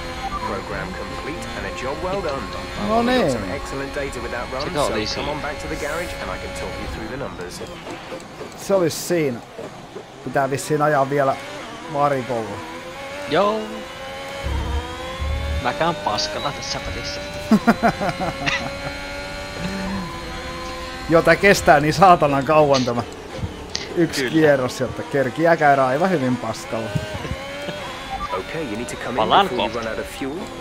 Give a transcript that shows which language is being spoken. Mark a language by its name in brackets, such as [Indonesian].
[English] Program complete and a job well done. [Finnish] No niin. [English] Some excellent data with that run. So come on back to the garage and I can talk you through the numbers. [Finnish] Se olisi siinä. Pitää vissiin ajaa vielä varikolla. Joo. Mä käyn paskalla tässä välissä. Joo, tää kestää niin saatanan kauan tämä yksi kierros, jotta kerkiä käydä aivan hyvin paskalla. [English] Okay, you need to come in before you run out of fuel.